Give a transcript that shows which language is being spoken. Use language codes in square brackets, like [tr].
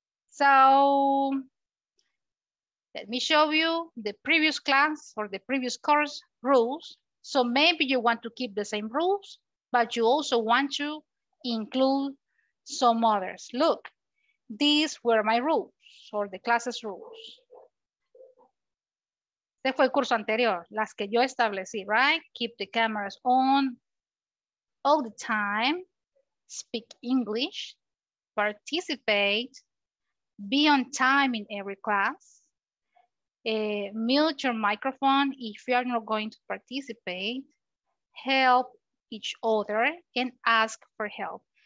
[en] So let me show you the previous class or the previous course rules. So maybe you want to keep the same rules, but you also want to include some others. Look, these were my rules or the class's rules. [es] Este fue el curso anterior, las que yo establecí, right? [en] Keep the cameras on all the time, speak English, participate, be on time in every class, mute your microphone if you are not going to participate, help each other and ask for help.